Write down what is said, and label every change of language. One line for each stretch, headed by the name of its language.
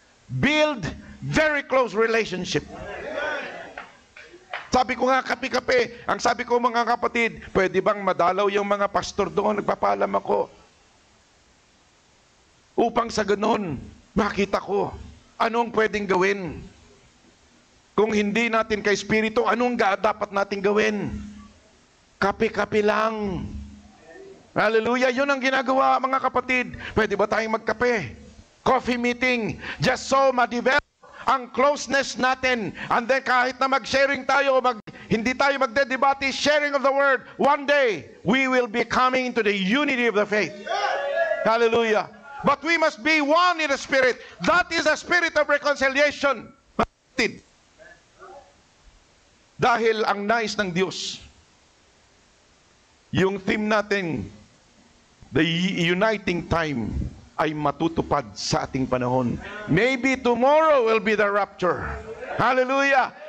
English: Build very close relationship.
Filipino: Sabi ko nga kape-kape, ang sabi ko mga kapatid, pwede bang madalaw yung mga pastor doon, nagpapaalam ako. Upang sa ganun, makita ko, anong pwedeng gawin? Kung hindi natin kay Espiritu, anong dapat natin gawin? Kape-kape lang. Hallelujah. Yun ang ginagawa, mga kapatid. Pwede ba tayong magkape?
English: Coffee meeting. Just so ma-develop ang closeness natin. And then
Filipino: kahit na mag-sharing tayo, hindi tayo magde-debate,
English: sharing of the word, one day, we will be coming into the unity of the faith. Hallelujah. But we must be one in the Spirit. That is the spirit of reconciliation.
Filipino: Mga kapatid. Dahil ang nais ng Diyos, yung theme natin,
English: the uniting time,
Filipino: ay matutupad sa ating panahon.
English: Maybe tomorrow will be the rapture. Hallelujah!